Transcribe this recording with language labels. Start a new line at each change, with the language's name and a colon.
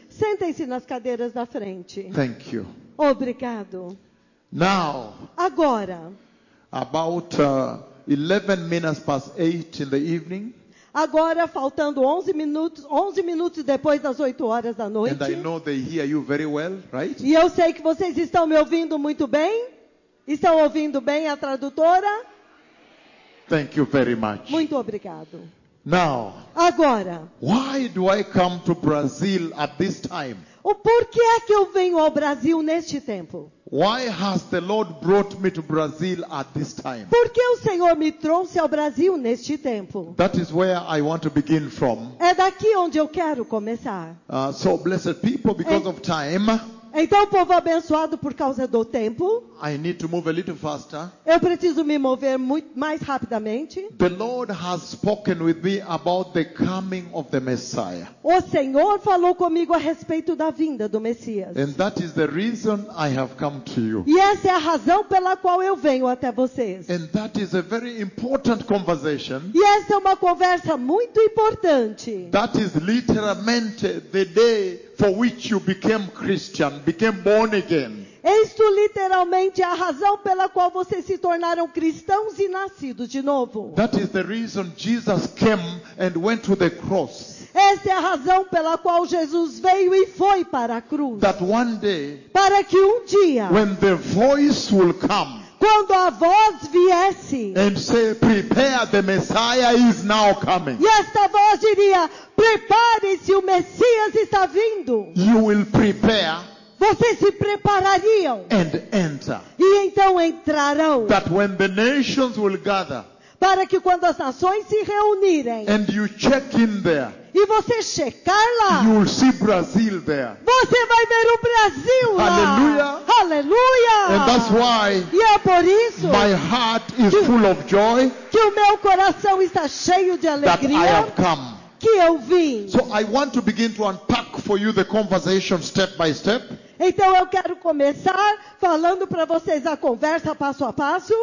Portuguese: Sentem-se nas cadeiras da frente.
English: Thank you.
Portuguese: Obrigado.
English: Now.
Portuguese: Agora.
English: About 11 minutes past 8 in the evening.
Portuguese: Agora faltando 11 minutos depois das 8 horas da noite.
English: And I know they hear you very well, right?
Portuguese: E eu sei que vocês estão me ouvindo muito bem. Estão ouvindo bem a tradutora?
English: Thank you very much.
Portuguese: Muito obrigado.
English: Now,
Portuguese: agora,
English: why do I come to Brazil at this time?
Portuguese: O porquê é que eu venho ao Brasil neste tempo?
English: Why has the Lord brought me to Brazil at this time?
Portuguese: Por que o Senhor me trouxe ao Brasil neste tempo?
English: That is where I want to begin from.
Portuguese: É daqui onde eu quero começar.
English: So blessed people, because of time.
Portuguese: Então, povo abençoado, por causa do tempo,
English: I need to move a little faster.
Portuguese: Eu preciso me mover muito mais rapidamente.
English: The Lord has spoken with me about the coming of the Messiah.
Portuguese: O Senhor falou comigo a respeito da vinda do Messias.
English: And that is the reason I have come to you.
Portuguese: E essa é a razão pela qual eu venho até vocês.
English: And that is a very important conversation.
Portuguese: E essa é uma conversa muito importante.
English: That is literalmente the day for which you became Christian, became born again.
Portuguese: Isto literalmente é a razão pela qual vocês se tornaram cristãos e nascidos de novo.
English: That is the reason Jesus came and went to the cross.
Portuguese: Essa é a razão pela qual Jesus veio e foi para a cruz.
English: That one day,
Portuguese: para que um dia,
English: when the voice will come,
Portuguese: quando a voz viesse,
English: and say, prepare, the Messiah is now coming.
Portuguese: E esta voz diria, prepare-se, o Messias está vindo.
English: You will prepare.
Portuguese: Vocês se preparariam.
English: And enter.
Portuguese: E então entrarão.
English: That when the nations will gather.
Portuguese: Para que quando as nações se reunirem.
English: And you check in there.
Portuguese: E você checar lá.
English: You will see Brazil there.
Portuguese: Você vai ver o Brasil lá.
English: Aleluia.
Portuguese: Aleluia.
English: And that's why.
Portuguese: E é por isso.
English: My heart is full of joy.
Portuguese: Que o meu coração está cheio de alegria.
English: That I have come.
Portuguese: Que eu vim.
English: So I want to begin to unpack for you the conversation step by step.
Portuguese: Então eu quero começar falando para vocês a conversa passo a passo.